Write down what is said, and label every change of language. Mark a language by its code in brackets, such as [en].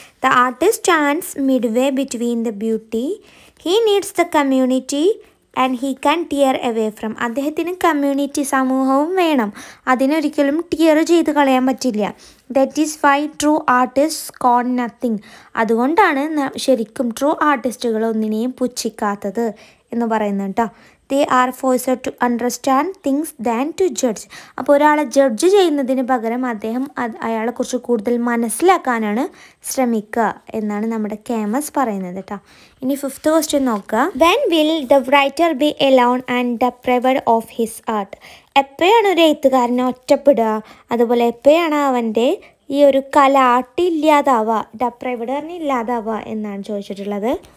[en] The artist stands midway between the beauty. He needs the community and he can tear away from. [ml] അദ്ദേഹത്തിന് community സമൂഹവും വേണം, അതിനൊരിക്കലും tear ചെയ്ത് കളയാൻ പറ്റില്ല. [en] That is why true artist scorn nothing. [ml] അതുകൊണ്ടാണ് ശരിക്കും true ആർട്ടിസ്റ്റുകൾ ഒന്നിനെയും പുച്ഛിക്കാത്തത് എന്ന് പറയുന്നത് കേട്ടോ. [en] They are forced to understand things than to judge. [ml] അപ്പോൾ ഒരാളെ ജഡ്ജ് ചെയ്യുന്നതിന് പകരം അദ്ദേഹം അയാളെക്കുറിച്ച് കൂടുതൽ മനസ്സിലാക്കാനാണ് ശ്രമിക്കുക എന്നാണ് നമ്മുടെ കാമസ് പറയുന്നത് കേട്ടോ. ഇനി ഫിഫ്ത് ക്വസ്റ്റ്യൻ നോക്കുക. [en] When will the writer be alone and deprived of his art. [ml] എപ്പോഴാണ് ഒരു എഴുത്തുകാരനെ ഒറ്റപ്പെടുക, അതുപോലെ എപ്പോഴാണ് അവൻ്റെ ഈ ഒരു കല ആർട്ട് ഇല്ലാതാവുക, ഡെപ്രൈവഡ് തന്നെ ഇല്ലാതാവുക എന്നാണ് ചോദിച്ചിട്ടുള്ളത്.